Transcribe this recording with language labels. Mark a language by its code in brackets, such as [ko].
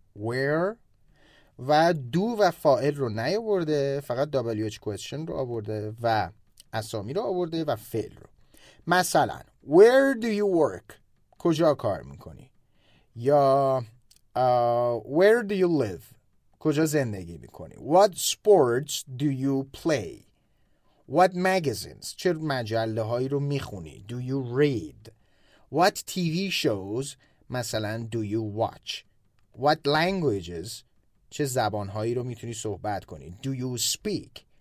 [fa] Where و دو و فاعل رو نیاورده فقط WH question رو آورده و اسامی رو آورده و فعل رو مثلا [en] Where do you work? [fa] کجا کار میکنی؟ یا [en] Where do you live? [fa] کجا زندگی میکنی؟ [en] What sports do you play? What magazines? [fa] چه مجله هایی رو میخونی؟ [en] Do you read? What TV shows مثلا do you watch? What languages? [fa] چه زبانهایی رو میتونی صحبت کنی؟ [en] Do you speak?